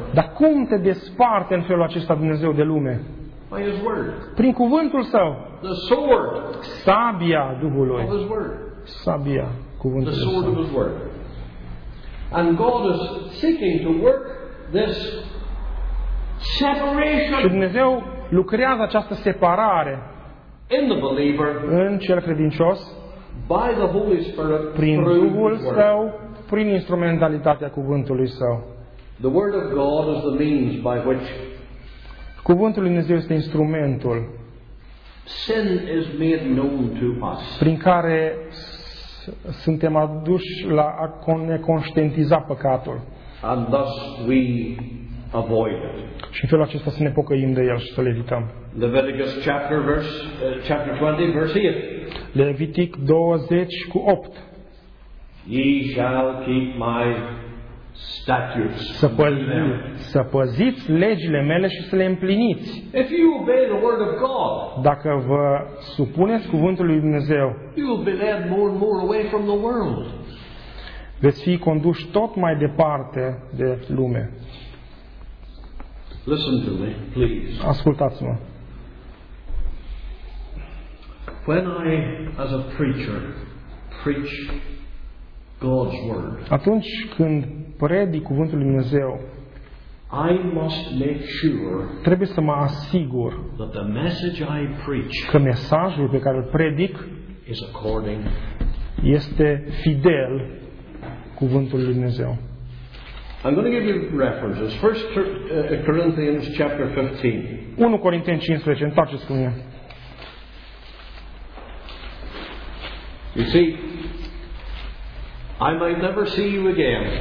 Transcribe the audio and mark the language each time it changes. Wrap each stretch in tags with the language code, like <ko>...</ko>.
<ro>Dar cum te desparte în felul acesta Dumnezeu de lume?</ro> <en>By his word.</en> <ro>Prin cuvântul său.</ro> <en>The sword.</en> <ro>Sabia Duhului.</ro> <en>Of his word.</en> <ro>Sabia cuvântului.</ro> <en>The sword of his word. And God is seeking to work this separation.</en> <ro>Și Dumnezeu lucrează această separare</ro> <en>in the believer,</en> <ro>în cel credincios,</ro> <en>by the Holy Spirit,</en> <ro>prin Duhul Său, prin instrumentalitatea cuvântului Său.</ro> <en>The word of God is the means by which.</en> <ro>Cuvântul lui Dumnezeu este instrumentul.</ro> <en>Sin is made known to us.</en> <ro>Prin care suntem aduși la a ne conștientiza păcatul.</ro> <en>And thus we avoid it.</en> <ro>Și în felul acesta să ne pocăim de el și să le evităm.</ro> <en>Leviticus chapter verse chapter 20 verse 8.</en> <ro>Levitic 20 cu 8.</ro> <en>Ye shall keep my statutes.</en> <ro>Să păziți legile mele și să le împliniți.</ro> <en>If you obey the word of God,</en> <ro>dacă vă supuneți cuvântului lui Dumnezeu,</ro> <en>you will be led more and more away from the world.</en> <ro>Veți fi conduși tot mai departe de lume.</ro> <en>Listen to me, please.</en> <ro>Ascultați-mă.</ro> <en>When I, as a preacher, preach God's word.</en> <ro>Atunci când predic cuvântul lui Dumnezeu,</ro> <en>I must make sure.</en> <ro>Trebuie să mă asigur</ro> <en>that the message I preach</en> <ro>că mesajul pe care îl predic</ro> <en>is according</en> <ro>este fidel cuvântului lui Dumnezeu.</ro> <en>I'm going to give you references. First Corinthians chapter 15.</en> <ro>1 Corinteni 15, întoarceți cu mine.</ro> <en>You see, I might never see you again.</en>